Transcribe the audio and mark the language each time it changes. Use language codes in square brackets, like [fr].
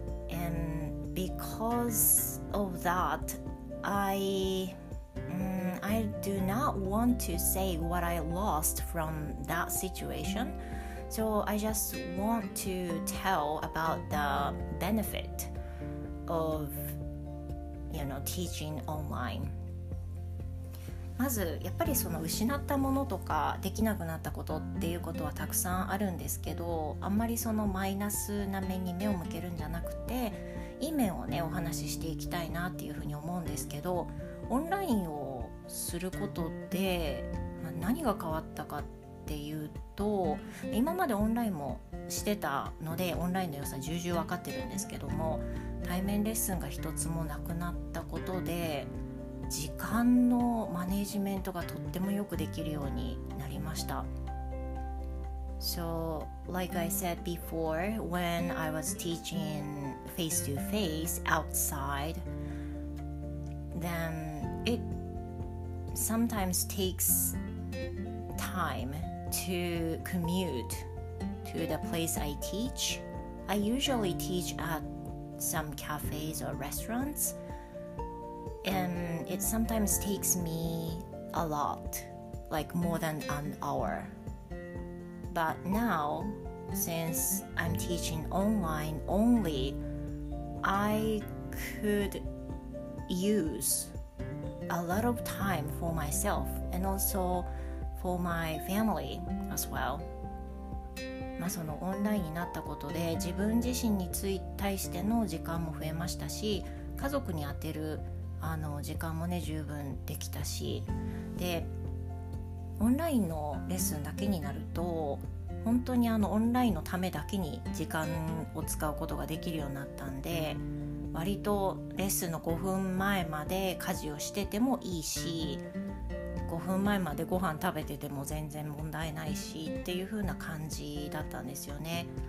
[en] And because of that, I do not want to say what I lost from that situation, so I just want to tell about the benefit of, you know, teaching online. [ja] まずやっぱりその失ったものとかできなくなったことっていうことはたくさんあるんですけど、あんまりそのマイナスな面に目を向けるんじゃなくて、いい面をねお話ししていきたいなっていうふうに思うんですけど、オンラインをすることで何が変わったかっていうと、今までオンラインもしてたのでオンラインの良さ重々わかってるんですけども、対面レッスンが一つもなくなったことで時間のマネジメントがとってもよくできるようになりました。 [en] So, like I said before, when I was teaching face-to-face outside, then it sometimes takes time to commute to the place I teach. I usually teach at some cafes or restaurants. And it sometimes takes me a lot, like more than an hour. But now, since I'm teaching online only, I could use a lot of time for myself and also for my family as well. [ja] まあ、そのオンラインになったことで自分自身に対しての時間も増えましたし、家族に当てるあの時間もね十分できたし、でオンラインのレッスンだけになると本当にあのオンラインのためだけに時間を使うことができるようになったんで、割とレッスンの5分前まで家事をしててもいいし、5分前までご飯食べてても全然問題ないしっていう風な感じだったんですよね。